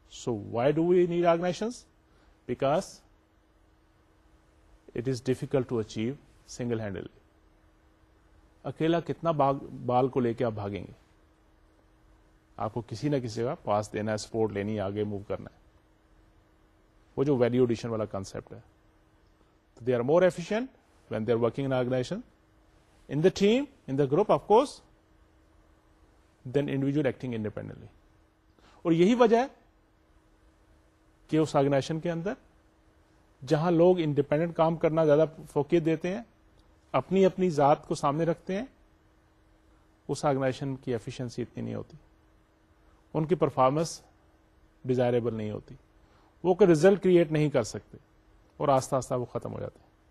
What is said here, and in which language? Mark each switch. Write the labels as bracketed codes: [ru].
[en] So why do we need organizations? Because it is difficult to achieve singlehandedly. [ur] اکیلا کتنا بال کو لے کے آپ بھاگیں گے؟ آپ کو کسی نہ کسی کا پاس دینا ہے, سپورٹ لینی ہے, آگے موو کرنا ہے. وہ جو ویلیو ایڈیشن والا کنسپٹ ہے, تو [en] They are more efficient when they are working in organization, in the team, in the group of course, than individual acting independently. [ur] اور یہی وجہ ہے کہ اس آرگنائزیشن کے اندر جہاں لوگ انڈیپینڈنٹ کام کرنا زیادہ فوکیت دیتے ہیں, اپنی اپنی ذات کو سامنے رکھتے ہیں, اس آرگنائزیشن کی ایفیشنسی اتنی نہیں ہوتی, ان کی پرفارمنس ڈیزائریبل نہیں ہوتی, وہ کوئی ریزلٹ کریٹ نہیں کر سکتے اور آہستہ آہستہ وہ ختم ہو جاتے ہیں.